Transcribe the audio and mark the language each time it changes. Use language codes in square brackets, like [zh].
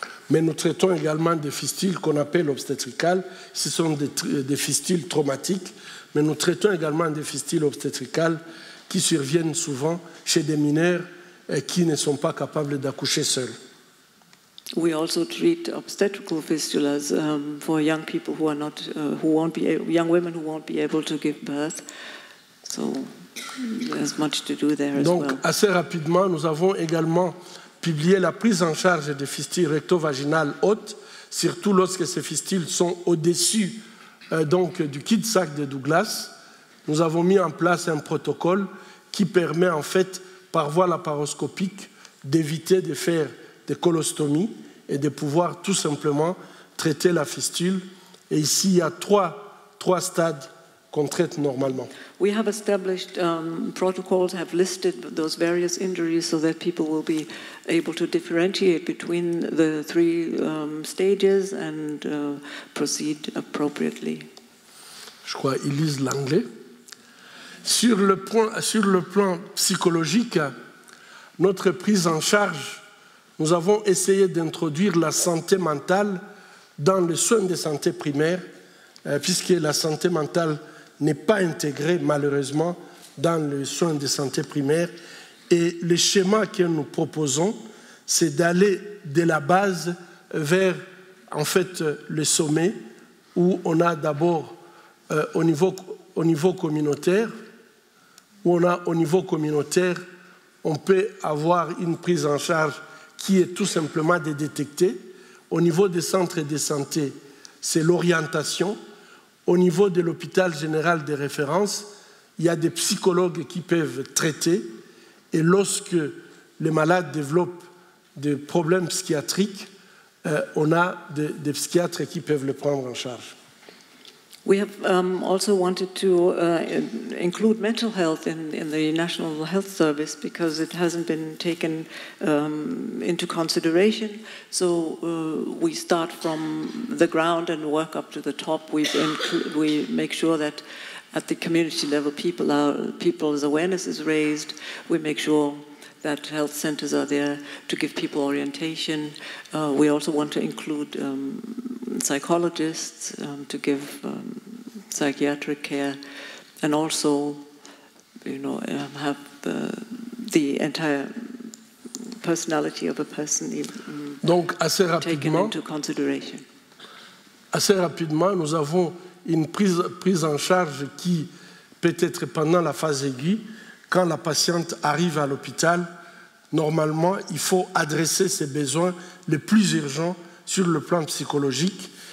[fr] Mais nous traitons également des fistules qu'on appelle obstétricales. Ce sont des fistules traumatiques, mais nous traitons également des fistules obstétricales qui surviennent souvent chez des mineurs qui ne sont pas capables d'accoucher seuls. [en] We also treat obstetrical fistulas for young people who are not, young women who won't be able to give birth. So there's much to do there as [fr] Donc, [en] well. [fr] Donc, assez rapidement, nous avons également publié la prise en charge des fistules recto-vaginales hautes, surtout lorsque ces fistules sont au-dessus donc, du kit-sac de Douglas. Nous avons mis en place un protocole qui permet, en fait, par voie laparoscopique, d'éviter de faire des colostomies et de pouvoir tout simplement traiter la fistule. Et ici, il y a trois stades qu'on traite normalement. [en] We have established protocols, have listed those various injuries so that people will be able to differentiate between the three stages and proceed appropriately. [fr] Je crois qu'ils lisent l'anglais. Sur le plan psychologique, notre prise en charge, nous avons essayé d'introduire la santé mentale dans les soins de santé primaire, puisque la santé mentale n'est pas intégrée, malheureusement, dans les soins de santé primaire. Et le schéma que nous proposons, c'est d'aller de la base vers, en fait, le sommet, où on a d'abord, au niveau communautaire, on peut avoir une prise en charge qui est tout simplement de détecter. Au niveau des centres de santé, c'est l'orientation. Au niveau de l'hôpital général de référence, il y a des psychologues qui peuvent traiter. Et lorsque les malades développent des problèmes psychiatriques, on a des psychiatres qui peuvent le prendre en charge. [en] We have also wanted to include mental health in the National Health Service because it hasn't been taken into consideration. So we start from the ground and work up to the top. We make sure that at the community level, people's awareness is raised. We make sure that health centers are there to give people orientation. We also want to include psychologists to give psychiatric care, and also, you know, have the entire personality of a person [fr] Donc, assez [en] taken into consideration. [fr] Assez rapidement, nous avons une prise en charge qui peut être pendant la phase aiguë, quand la patiente arrive à l'hôpital. Normalement, il faut adresser ses besoins les plus urgents sur le plan psychologique.